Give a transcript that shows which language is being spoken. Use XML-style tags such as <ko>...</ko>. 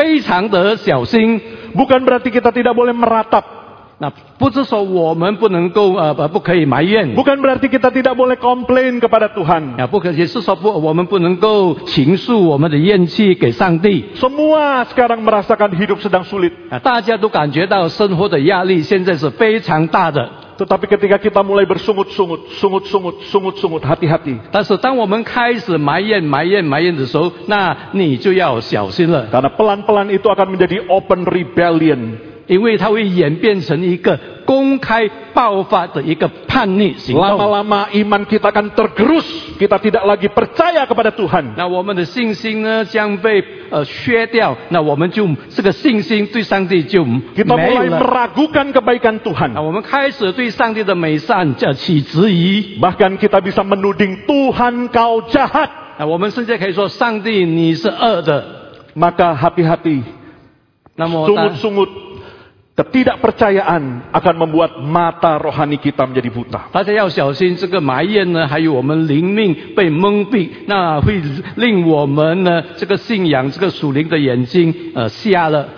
<zh>所以各位弟兄姐妹，在这个生活艰苦的这个时代里，大家要非常的小心。</zh> <id>Bukan berarti kita tidak boleh meratap.</id> <zh>那不是说我们不能够不可以埋怨。</zh> <id>Bukan berarti kita tidak boleh komplain kepada Tuhan.</id> <zh>也是说我们不能够倾诉我们的怨气给上帝。</zh> <id>Semua sekarang merasakan hidup sedang sulit.</id> <zh>大家都感觉到生活的压力现在是非常大的。</zh> <id>Tetapi ketika kita mulai bersungut-sungut, sungut-sungut, sungut-sungut, hati-hati.</id> <zh>但是当我们开始埋怨的时候, 那你就要小心了。</zh> <id>Karena pelan-pelan itu akan menjadi</id> <en>open rebellion.</en> <zh>因为它会演变成一个公开爆发的一个叛逆行动。</zh> <id>Lama-lama iman kita akan tergerus, kita tidak lagi percaya kepada Tuhan.</id> <zh>那我们的信心呢将被削掉, 那我们就这个信心对上帝就没有了。</zh> <id>Kita mulai meragukan kebaikan Tuhan.</id> <zh>那我们开始对上帝的美善起质疑。</zh> <id>Bahkan kita bisa menuding Tuhan kau jahat.</id> <zh>那我们甚至可以说上帝你是恶的。</zh> <id>Maka hati-hati, sungut-sungut, ketidakpercayaan akan membuat mata rohani kita menjadi buta.</id> <zh>大家要小心这个埋怨呢，还有我们灵命被蒙蔽，那会令我们呢这个信仰这个属灵的眼睛瞎了。</zh>